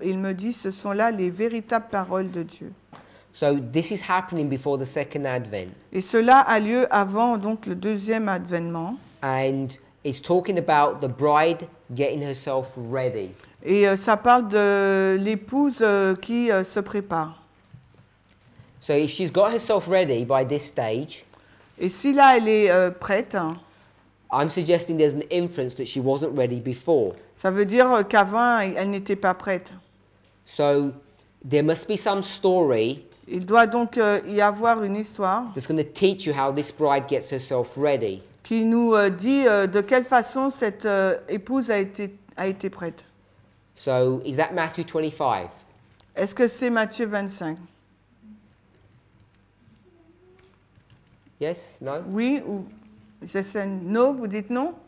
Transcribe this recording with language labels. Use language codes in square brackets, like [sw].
[fr] Et il me dit, ce sont là les véritables paroles de Dieu. [en] So this is happening before the second advent. [fr] Et cela a lieu avant donc le deuxième advènement. [en] And it's talking about the bride getting herself ready. [fr] Et ça parle de l'épouse qui se prépare. [en] So if she's got herself ready by this stage. [fr] Et si là elle est prête. [en] I'm suggesting there's an inference that she wasn't ready before. [fr] Ça veut dire qu'avant elle n'était pas prête. [en] So there must be some story. [fr] Il doit donc y avoir une histoire. [en] That's going to teach you how this bride gets herself ready. [fr] Qui nous dit de quelle façon cette épouse a été prête. [en] So, is that Matthew 25? [fr] Est-ce que c'est Matthieu 25? [en] Yes, no? [fr] Oui, ou je sais, [en] no, [fr] vous dites non?